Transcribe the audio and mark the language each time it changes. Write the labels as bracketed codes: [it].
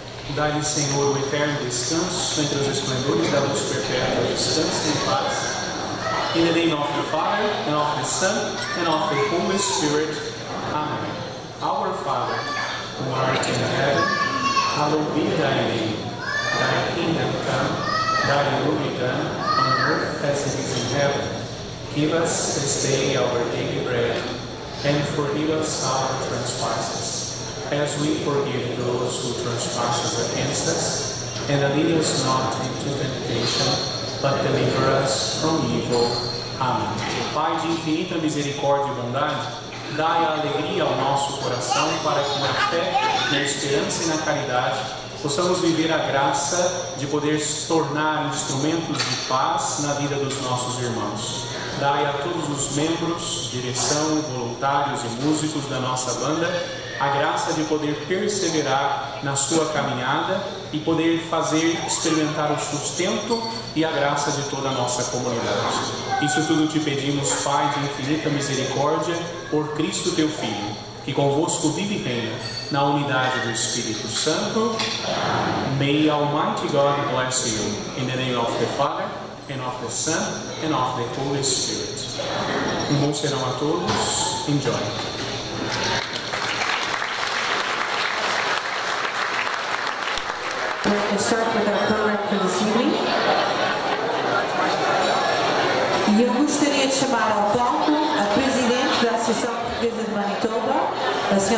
[pt] Dá-lhe, Senhor, o eterno descanso entre os esplendores da luz perpétua, descanso em paz. [en] In the name of the Father, and of the Son, and of the Holy Spirit. Amen. Our Father, who art in heaven, hallowed be thy name. Thy kingdom come, thy will be done, on earth as it is in heaven. Give us this day our daily bread, and forgive us our trespasses, as we forgive those who trespass against us, and lead us not into temptation, but deliver us from evil. Amen. [pt] Pai de infinita misericórdia e bondade, dai a alegria ao nosso coração para que na fé, na esperança e na caridade possamos viver a graça de poder se tornar instrumentos de paz na vida dos nossos irmãos. Dai a todos os membros, direção, voluntários e músicos da nossa banda a graça de poder perseverar na sua caminhada e poder fazer experimentar o sustento e a graça de toda a nossa comunidade. Isso tudo te pedimos, Pai de infinita misericórdia, por Cristo teu Filho, que convosco vive e reina na unidade do Espírito Santo. [en] May Almighty God bless you, in the name of the Father, and of the Son, and of the Holy Spirit. [pt] Um bom serão a todos. [en] Enjoy. We start with our program for this evening. [pt] E eu gostaria de chamar ao palco a Presidente da Associação Portuguesa de Manitoba, a Sra.